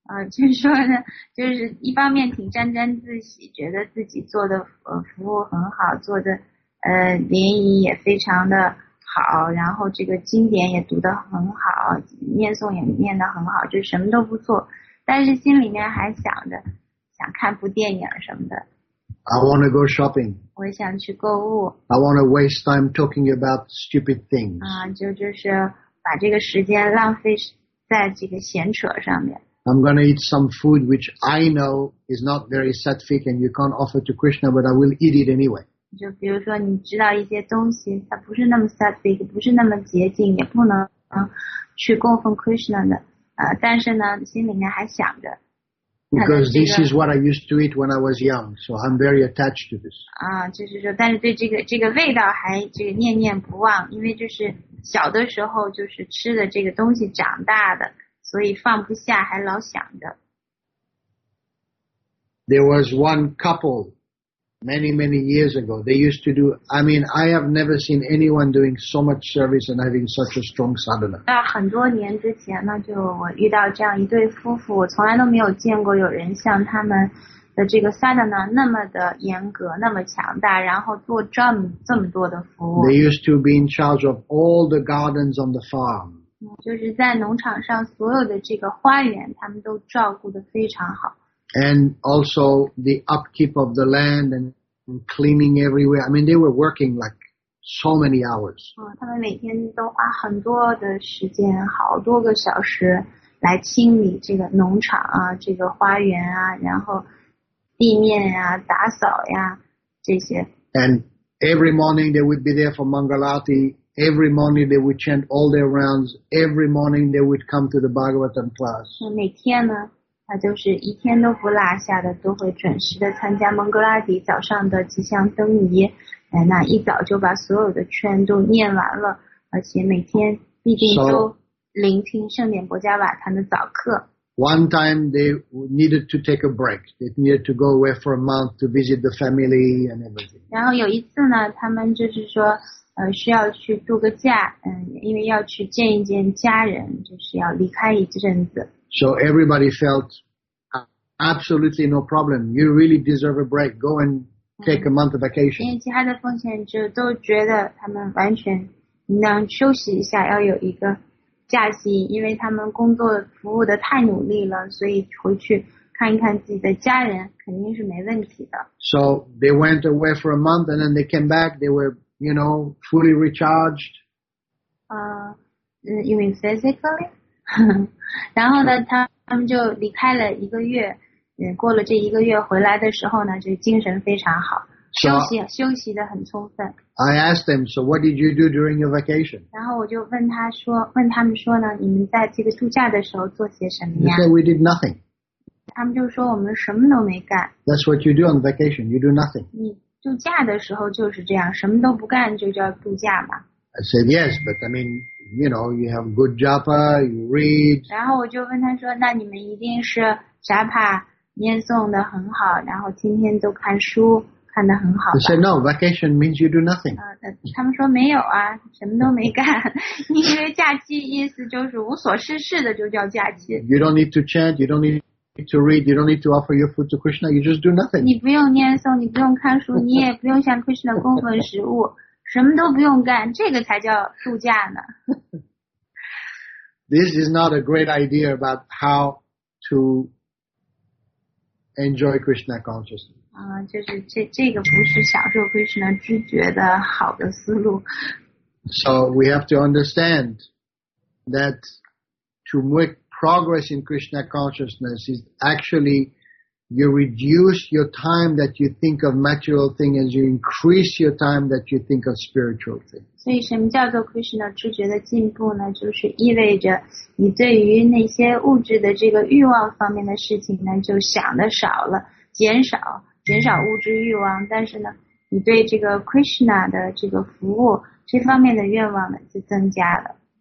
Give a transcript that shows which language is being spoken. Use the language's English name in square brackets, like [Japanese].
[Chinese] 就是说呢，就是一方面挺沾沾自喜，觉得自己做的服务很好，做的联谊也非常的好，然后这个经典也读得很好，念诵也念得很好，就什么都不错。但是心里面还想看部电影什么的。 [English] I want to go shopping. [Chinese] 我想去购物。 [English] I want to waste time talking about stupid things. [Chinese] 就是把这个时间浪费在这个闲扯上面。 [English] I'm going to eat some food which I know is not very sattvic and you can't offer to Krishna, but I will eat it anyway. [Chinese] 就比如说你知道一些东西它不是那么 sattvic, 不是那么洁净，也不能去供奉 Krishna 的。但是呢心里面还想着。 [English] Because this is what I used to eat when I was young, so I'm very attached to this. [Chinese] 啊，就是说，但是对这个味道还这个念念不忘，因为就是小的时候就是吃的这个东西长大的，所以放不下，还老想着。 [English] There was one couple many, many years ago. They used to do, I mean, I have never seen anyone doing so much service and having such a strong sadhana. [Chinese] 在很多年之前呢，就我遇到这样一对夫妇，我从来都没有见过有人像他们的这个 sadhana 那么的严格，那么强大，然后做这么多的服务。 [English] They used to be in charge of all the gardens on the farm. [Chinese] 就是在农场上所有的这个花园，他们都照顾得非常好。 [English] And also the upkeep of the land and cleaning everywhere. I mean, they were working like so many hours. [Chinese] 他们每天都花很多的时间，好多个小时来清理这个农场啊，这个花园啊，然后地面呀、啊、打扫呀这些。 [English] And every morning they would be there for Mangalati. Every morning they would chant all their rounds. Every morning they would come to the Bhagavatam class. [Chinese] 每天呢？他就是一天都不落下的，都会准时的参加蒙哥拉底早上的吉祥灯仪。哎，那一早就把所有的圈都念完了，而且每天必定都聆听圣典博加瓦坛的早课。 [English] One time they needed to take a break. They needed to go away for a month to visit the family and everything. [Chinese] 然后有一次呢，他们就是说，需要去度个假，因为要去见一见家人，就是要离开一阵子。 [English] So everybody felt absolutely no problem. You really deserve a break. Go and take a month of vacation. [Chinese] 因为其他的奉献者都觉得他们完全能休息一下，要有一个假期，因为他们工作服务的太努力了，所以回去看一看自己的家人肯定是没问题的。 [English] So they went away for a month and then they came back. They were, you know, fully recharged. You mean physically? [Chinese] 然后呢他们就离开了一个月，过了这一个月回来的时候呢就精神非常好，休息得很充分。 [English] I asked them, so what did you do during your vacation? [Chinese] 然后我就问他们说呢，你们在这个度假的时候做些什么呀？ [English] They said we did nothing. [Chinese] 他们就说我们什么都没干。 [English] That's what you do on vacation, you do nothing. [Chinese] 你度假的时候就是这样，什么都不干就叫度假嘛。 [English] I said yes, but I mean,you know, you have good japa, you read. [Chinese] 然后我就问他说，那你们一定是 japa 念诵得很好，然后天天都看书看得很好吧。 [English] He said, no, vacation means you do nothing. [Chinese] 他们说没有啊，什么都没干，因为假期意思就是无所事事的就叫假期。 [English] You don't need to chant, you don't need to read, you don't need to offer your food to Krishna, you just do nothing. [Chinese] 你不用念诵，你不用看书，你也不用向 Krishna 供奉食物。什么都不用干，这个才叫度假呢。 [English] This is not a great idea about how to enjoy Krishna consciousness. [Chinese] 就是这个不是享受 Krishna 知觉的好的思路。 [English] So we have to understand that to make progress in Krishna consciousness is actually you reduce your time that you think of material thing as you increase your time that you think of spiritual thing. [Chinese] 所以什么叫做 Krishna 知觉的进步呢，就是意味着你对于那些物质的这个欲望方面的事情呢就想的少了，减少物质欲望，但是呢你对这个 Krishna 的这个服务这方面的愿望呢就增加了。